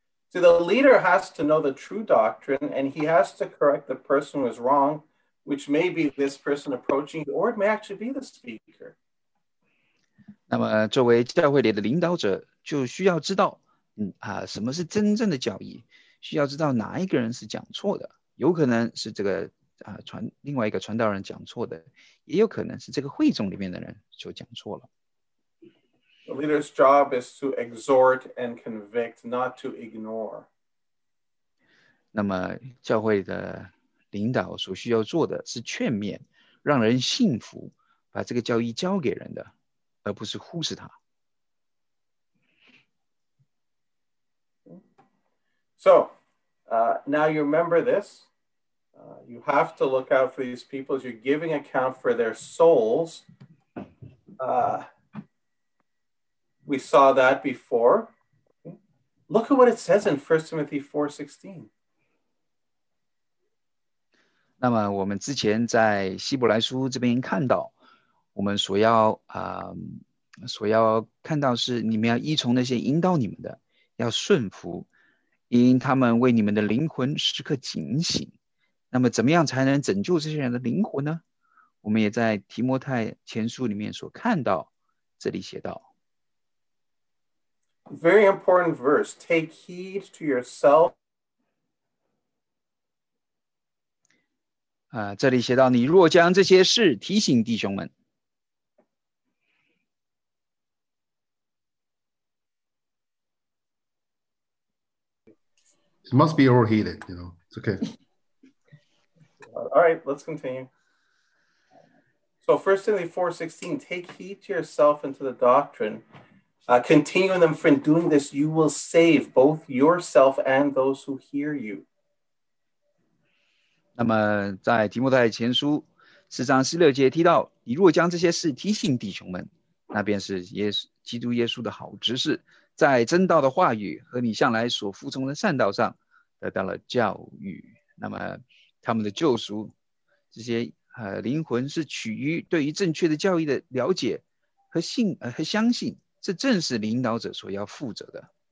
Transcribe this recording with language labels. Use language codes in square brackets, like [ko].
[en] So the leader has to know the true doctrine, and he has to correct the person who is wrong, which may be this person approaching, or it may actually be the speaker. [zh] 那么作为教会里的领导者，就需要知道，什么是真正的教义。需要知道哪一个人是讲错的，有可能是这个、另外一个传道人讲错的，也有可能是这个会众里面的人就讲错了。 [en] The leader's job is to exhort and convict, not to ignore. [zh] 那么教会的领导所需要做的是劝勉，让人信服，把这个教义交给人的，而不是忽视他。 [en] So, now you remember this. You have to look out for these people as you're giving account for their souls. We saw that before. Look at what it says in 1 Timothy 4:16. [zh] 那么我们之前在希伯来书这边看到，我们所要、所要看到是你们要依从那些引导你们的，要顺服，因他们为你们的灵魂时刻警醒。那么怎么样才能拯救这些人的灵魂呢？我们也在提摩太前书里面所看到，这里写道。 [en] Very important verse. Take heed to yourself. [zh] 这里写到，你若将这些事提醒弟兄们。 [en] It must be overheated, you know. It's okay. All right, let's continue. So 1 Timothy 4:16, take heed to yourself and to the doctrine. Continue in them, for in doing this, you will save both yourself and those who hear you. [zh] 那么在提摩太前书四章十六节提到，你若将这些事提醒弟兄们，那便是耶稣基督耶稣的好执事，在真道的话语和你向来所服从的善道上得到了教育。那么他们的救赎，这些灵魂是取于对于正确的教育的了解和信和相信，这正是领导者所要负责的。